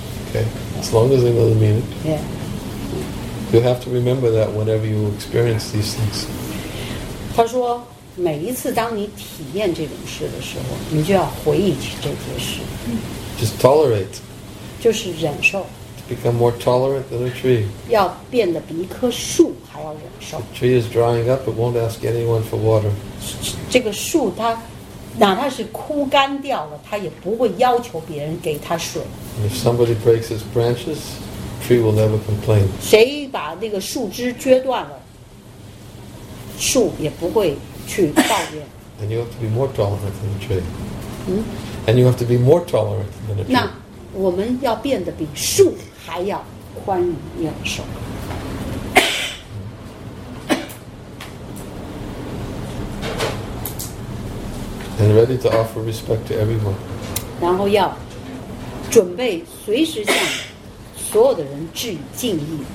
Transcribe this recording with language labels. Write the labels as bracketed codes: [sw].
[en] Okay, as long as they know the meaning. Yeah. You have to remember that whenever you experience these things. [zh] 他说，每一次当你体验这种事的时候，你就要回忆起这些事。 [en] Just tolerate. [zh] 就是忍受。 [en] To become more tolerant than a tree. [zh] 要变得比一棵树还要忍受。 [en] The tree is drying up, it won't ask anyone for water. [zh] 这个树它哪怕是枯干掉了，他也不会要求别人给他水。 [en] And if somebody breaks its branches, tree will never complain. [zh] 谁把那个树枝撅断了，树也不会去抱怨。 [en] And you have to be more tolerant than a tree. And you have to be more tolerant than a tree. [zh] 那我们要变得比树还要宽容忍受。 [en] And ready to offer respect to everyone. [zh] 然后要准备随时向所有的人致以敬意。